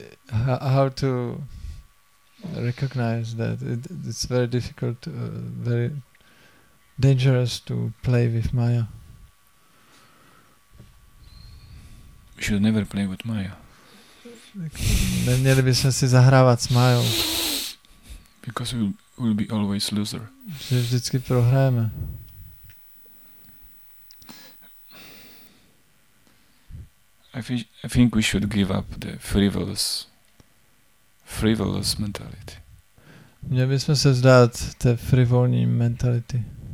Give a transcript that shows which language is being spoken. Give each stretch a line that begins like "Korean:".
English: How to recognize that? It's very difficult, very dangerous to play with Maya. We should never play with Maya.
Czech: Neměli bychom si zahrávat s Majou.
English: Because we'll be always loser.
Czech: Že vždycky prohráme.
English: I think we should give up the frivolous mentality.
Czech: Měli bychom se vzdát té frivolní mentality.